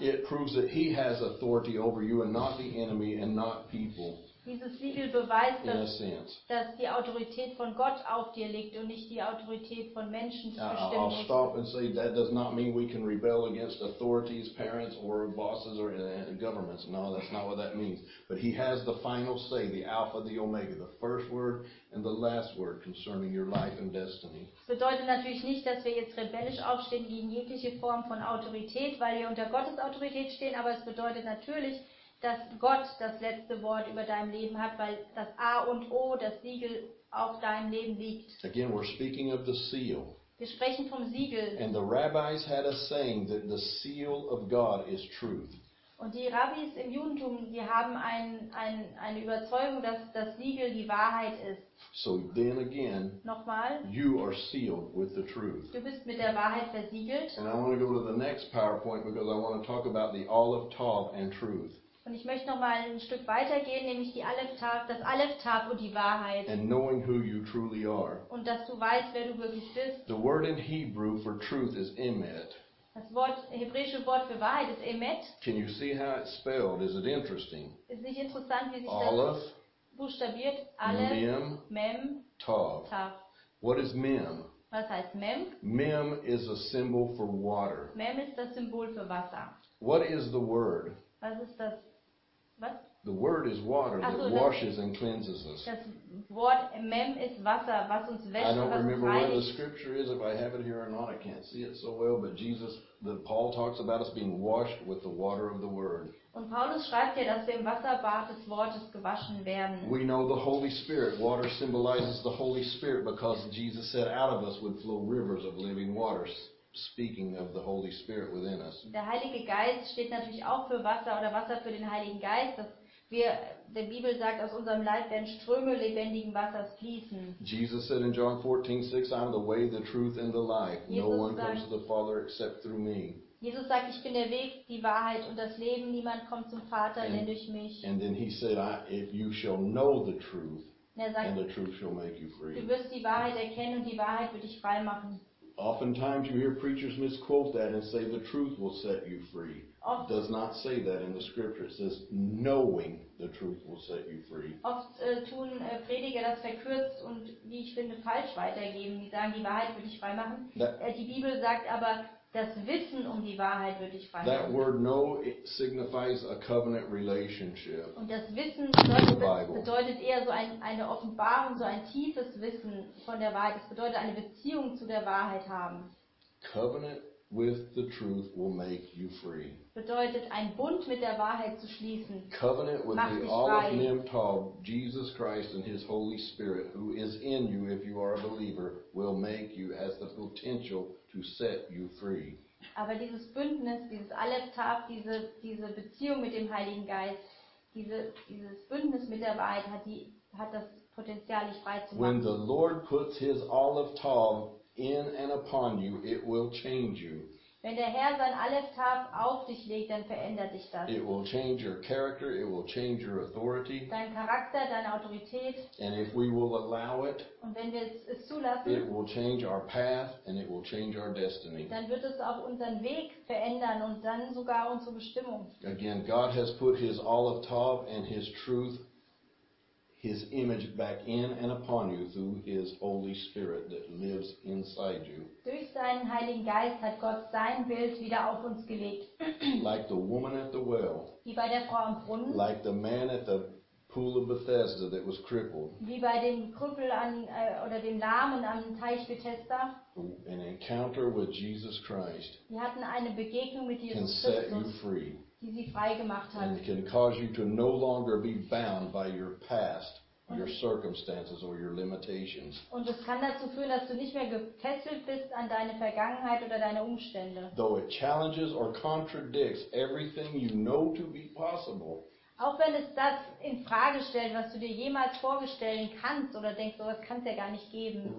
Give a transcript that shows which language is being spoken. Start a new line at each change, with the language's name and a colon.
English: It proves that he has authority over you and not the enemy and not people.
German: Dieses Siegel beweist, dass die Autorität von Gott auf dir liegt und nicht die Autorität von Menschen zu bestimmen.
English: I'll stop and say that does not mean we can rebel against authorities, parents or bosses or governments. No, that's not what that means. But he has the final say, the Alpha, the Omega, the first word and the last word concerning your life and destiny.
German: Das bedeutet natürlich nicht, dass wir jetzt rebellisch aufstehen gegen jegliche Form von Autorität, weil wir unter Gottes Autorität stehen, aber es bedeutet natürlich, dass Gott das letzte Wort über deinem Leben hat, weil das A und O, das Siegel, auf deinem Leben liegt.
English: Again, we're speaking of the seal.
German: Wir sprechen vom Siegel.
English: And the rabbis had a saying that the seal of God is truth.
German: Und die Rabbis im Judentum, die haben eine Überzeugung, dass das Siegel die Wahrheit ist.
English: So then again,
German: nochmal,
English: you are sealed with the truth.
German: Du bist mit der Wahrheit versiegelt.
English: And I want to go to the next PowerPoint, because I want to talk about the Aleph Tav and truth.
German: Und ich möchte noch mal ein Stück weitergehen, nämlich die Aleph Tav, das Aleph Tav und die Wahrheit.
English: And knowing who you truly are.
German: Und dass du weißt, wer du wirklich bist.
English: The word in Hebrew for truth is emet.
German: Das Wort, hebräische Wort für Wahrheit ist emet.
English: Can you see how it's spelled? Is it interesting?
German: Ist nicht interessant, wie sich Aleph, das buchstabiert?
English: Aleph, Mem, Tav. What is Mem?
German: Was heißt Mem?
English: Mem is a symbol for water.
German: Mem ist das Symbol für Wasser.
English: What is the word?
German: Was ist das? Was?
English: The word is water that washes and cleanses us.
German: Das Wort Mem ist Wasser, was uns wäscht,
English: I don't
German: was
English: remember
German: reinigt.
English: Where the scripture is, if I have it here or not, I can't see it so well, but Jesus, the Paul talks about us being washed with the water of the word.
German: Und Paulus schreibt ja, dass wir im Wasserbad des Wortes gewaschen werden.
English: We know the Holy Spirit. Water symbolizes the Holy Spirit because Jesus said out of us would flow rivers of living water. Speaking of the Holy Spirit within us.
German: Der Heilige Geist steht natürlich auch für Wasser oder Wasser für den Heiligen Geist, dass wir, der Bibel sagt, aus unserem Leib werden Ströme lebendigen Wassers fließen.
English: Jesus said in John 14:6, I'm the way, the truth and the life. No one comes to the Father except through me.
German: Jesus sagt, ich bin der Weg, die Wahrheit und das Leben. Niemand kommt zum Vater, denn durch mich.
English: And then he said, if you shall know the truth,
German: sagt,
English: and the truth shall make you free.
German: Du wirst die Wahrheit erkennen und die Wahrheit wird dich frei machen.
English: Oftentimes you hear preachers misquote that and say the truth will set you free.
German: Oft
English: does not say that in the scripture. It says knowing the truth will set you free.
German: Oft tun Prediger das verkürzt und, wie ich finde, falsch weitergeben. Die sagen, die Wahrheit wird dich frei machen. Die Bibel sagt aber, das Wissen um die Wahrheit wird dich frei machen.
English: That word know signifies a covenant relationship.
German: Und das Wissen bedeutet eher so eine Offenbarung, so ein tiefes Wissen von der Wahrheit. Es bedeutet eine Beziehung zu der Wahrheit haben.
English: Covenant with the truth will make you free.
German: Bedeutet, ein Bund mit der Wahrheit zu schließen.
English: Covenant with the Olive Mem Tov, Jesus Christ and his Holy Spirit, who is in you if you are a believer, will make you as the potential to set you free.
German: Aber dieses Bündnis, dieses Aleph Tav, diese Beziehung mit dem Heiligen Geist, dieses Bündnis mit der Wahrheit hat das Potenzial, dich frei zu machen.
English: When the Lord puts his Olive Tav in and upon you, it will change you.
German: Wenn der Herr sein Aleph Tav auf dich legt, dann verändert dich das.
English: It will change your character, it will change your authority.
German: Dein Charakter, deine Autorität.
English: And if we will allow it,
German: und wenn wir es zulassen,
English: it will change our path and it will change our destiny.
German: Dann wird es auch unseren Weg verändern und dann sogar unsere Bestimmung.
English: Again, God has put his Aleph Tav and his truth, his image back in and upon you through his Holy Spirit that lives inside you.
German: Durch seinen Heiligen Geist hat Gott sein Bild wieder auf uns gelegt.
English: Like the woman at the well.
German: Wie bei der Frau am Brunnen.
English: Like the man at the pool of Bethesda that was crippled.
German: Wie bei dem Krüppel oder dem Lahmen am Teich Bethesda.
English: An encounter with Jesus Christ.
German: Wir hatten eine Begegnung mit Jesus Christus.
English: Can set you free.
German: Die sie frei gemacht hat.
English: And can cause you to no longer be bound by your past, your circumstances or your limitations.
German: Und es kann dazu führen, dass du nicht mehr gefesselt bist an deine Vergangenheit oder deine Umstände.
English: Though it challenges or contradicts everything you know to be possible.
German: Auch wenn es das in Frage stellt, was du dir jemals vorstellen kannst oder denkst, sowas kann es ja gar nicht geben.